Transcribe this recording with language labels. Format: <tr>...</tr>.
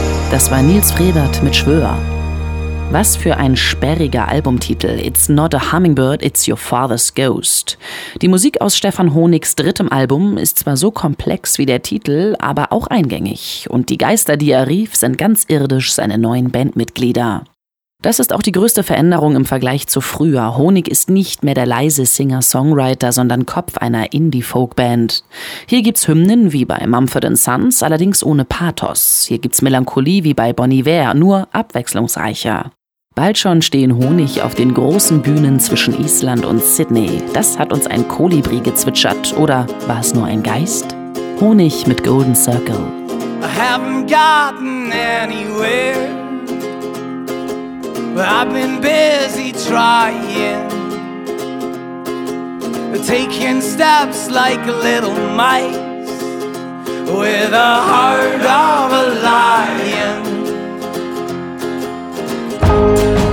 <de>Das war Nils Frevert mit Schwör. Was für ein sperriger Albumtitel.</de> <en>It's not a hummingbird, it's your father's ghost.</en> <de>Die Musik aus Stefan Honigs drittem Album ist zwar so komplex wie der Titel, aber auch eingängig. Und die Geister, die er rief, sind ganz irdisch seine neuen Bandmitglieder. Das ist auch die größte Veränderung im Vergleich zu früher. Honig ist nicht mehr der leise Singer-Songwriter, sondern Kopf einer Indie-Folk-Band. Hier gibt's Hymnen wie bei Mumford & Sons, allerdings ohne Pathos. Hier gibt's Melancholie wie bei Bon Iver, nur abwechslungsreicher. Bald schon stehen Honig auf den großen Bühnen zwischen Island und Sydney. Das hat uns ein Kolibri gezwitschert, oder war es nur ein Geist? Honig mit Golden Circle.</de> <en>I haven't gotten anywhere. But I've been busy trying, taking steps like little mice with a heart of a lion.</en>